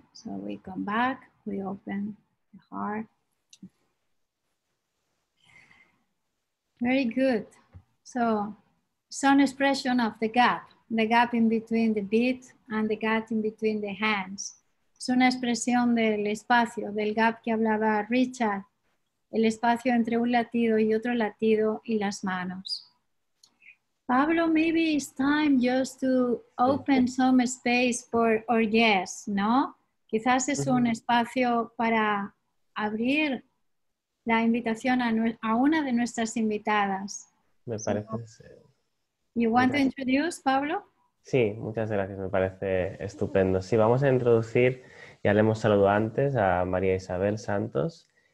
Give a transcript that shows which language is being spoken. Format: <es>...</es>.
<en>So we come back, we open the heart. Very good. So some expression of the gap in between the beat and the gap in between the hands.</en> <es>Es una expresión del espacio, del gap que hablaba Richard, el espacio entre un latido y otro latido y las manos.</es> <en>Pablo, maybe it's time just to open some space for our guests, ¿no?</en> <es>Quizás es un espacio para abrir la invitación a una de nuestras invitadas. Me parece.</es> <en>You want to introduce, Pablo?</en> <es>Sí, muchas gracias, me parece estupendo. Sí, vamos a introducir, ya le hemos saludado antes, a María Isabel Santos.</es>